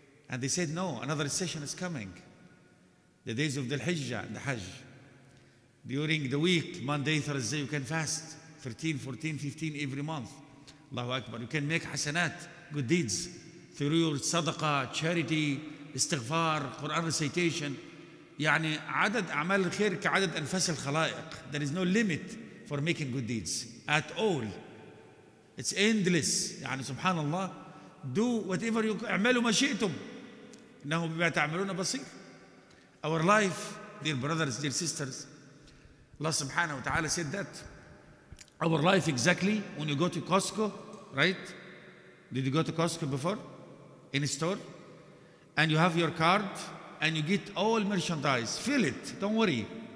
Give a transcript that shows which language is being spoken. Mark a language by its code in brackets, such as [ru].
[en] And they said, no, another session is coming. The days of the Hijjah and the Hajj. During the week, Monday, Thursday, you can fast 13, 14, 15 every month. Allahu Akbar. You can make hasanat, good deeds, through your sadaqah, charity, istighfar, Quran recitation. [ar] يعني عدد أعمال الخير كعدد أنفاس الخلائق. [en] There is no limit for making good deeds at all. It's endless. [ar] يعني سبحان الله. [en] Do whatever you [ar] أعملوا ما شئتم. إنه بما تعملون بصير. [en] Our life, dear brothers, dear sisters, Allah subhanahu wa ta'ala said that our life exactly when you go to Costco, right? Did you go to Costco before? In a store? And you have your card and you get all merchandise. Fill it. Don't worry.